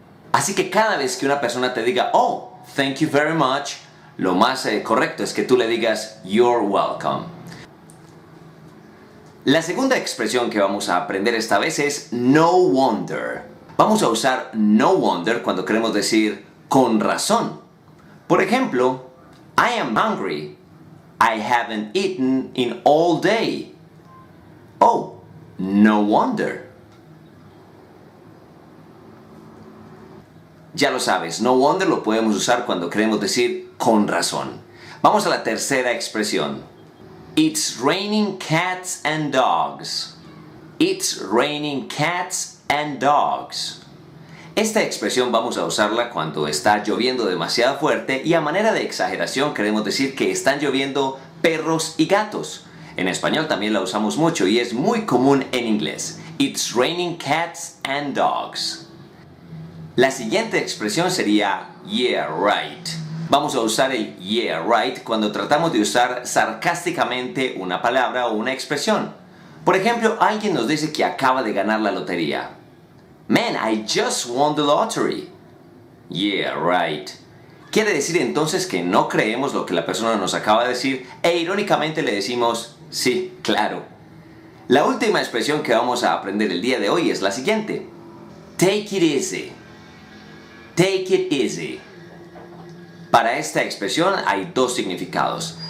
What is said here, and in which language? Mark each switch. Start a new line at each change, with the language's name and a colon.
Spanish: Así que cada vez que una persona te diga
English: oh, thank you very much,
Spanish: lo más correcto es que tú le digas
English: you're welcome.
Spanish: La segunda expresión que vamos a aprender esta vez es no wonder. Vamos a usar no wonder cuando queremos decir con razón. Por ejemplo,
English: I am hungry. I haven't eaten in all day. Oh, no wonder.
Spanish: Ya lo sabes, no wonder lo podemos usar cuando queremos decir con razón. Vamos a la tercera expresión.
English: It's raining cats and dogs. It's raining cats and dogs.
Spanish: Esta expresión vamos a usarla cuando está lloviendo demasiado fuerte y a manera de exageración queremos decir que están lloviendo perros y gatos. En español también la usamos mucho y es muy común en inglés.
English: It's raining cats and dogs.
Spanish: La siguiente expresión sería yeah, right. Vamos a usar el yeah, right cuando tratamos de usar sarcásticamente una palabra o una expresión. Por ejemplo, alguien nos dice que acaba de ganar la lotería.
English: Man, I just won the lottery. Yeah, right.
Spanish: Quiere decir entonces que no creemos lo que la persona nos acaba de decir e irónicamente le decimos, sí, claro. La última expresión que vamos a aprender el día de hoy es la siguiente.
English: Take it easy. Take it easy.
Spanish: Para esta expresión hay 2 significados.